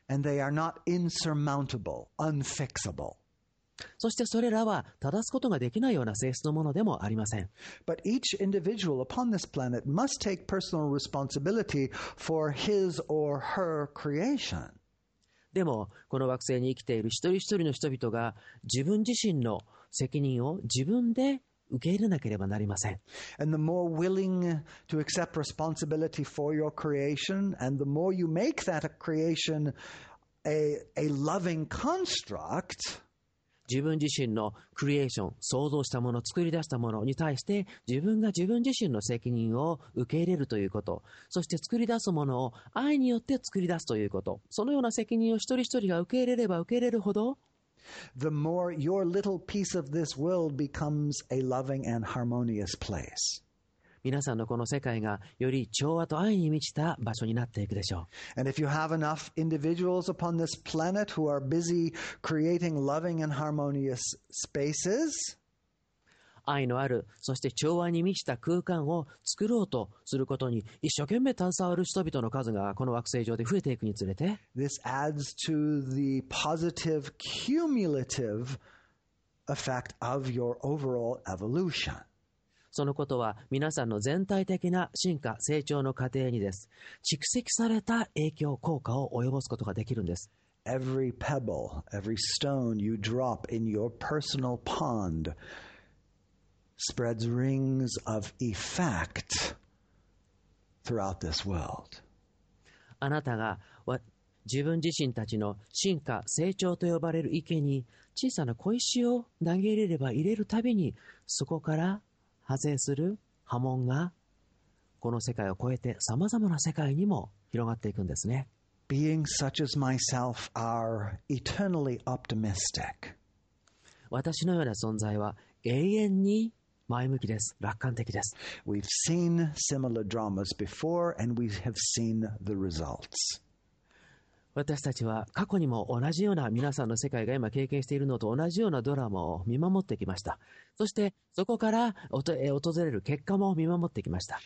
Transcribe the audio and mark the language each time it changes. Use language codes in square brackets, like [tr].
[en] And they are not insurmountable, unfixable. [ja] そしてそれらは正すことができないような性質のものでもありません。 [en] But each individual upon this planet must take personal responsibility for his or her creation. [ja] でもこの惑星に生きている一人一人の人々が自分自身の責任を自分で受け入れなければなりません。 [en] And the more willing to accept responsibility for your creation, and the more you make that creation a loving construct, [ja] 自分自身のクリエーション、創造したもの、作り出したものに対して自分が自分自身の責任を受け入れるということ、そして作り出すものを愛によって作り出すということ、そのような責任を一人一人が受け入れれば受け入れるほど、 [en] The more your little piece of this world becomes a loving and harmonious place. [ja] 皆さんのこの世界がより調和と愛に満ちた場所になっていくでしょう。 [en] And if you have enough individuals upon this planet who are busy creating loving and harmonious spaces, [ja] 愛のあるそして調和に満ちた空間を作ろうとすることに一生懸命携わる人々の数がこの惑星上で増えていくにつれて、 [en] This adds to the positive cumulative effect of your overall evolution. [ja] そのことは皆さんの全体的な進化成長の過程にです。蓄積された影響効果を及ぼすことができるんです。 [en] Every pebble, every stone you drop in your personal pond. Spreads rings of effect throughout this world. [ja] あなたが自分自身たちの進化成長と呼ばれる池に小さな小石を投げ入れれば入れるたびに、そこから派生する波紋がこの世界を超えてさまざまな世界にも広がっていくんですね。 [en] Being such as myself are eternally optimistic. [ja] 私のような存在は永遠に前向きです。楽観的です。 [en] We've seen similar dramas before, and we have seen the results. [ja] 私たちは過去にも同じような皆さんの世界が今経験しているのと同じようなドラマを見守ってきました。そしてそこから訪れる結果も見守ってきました。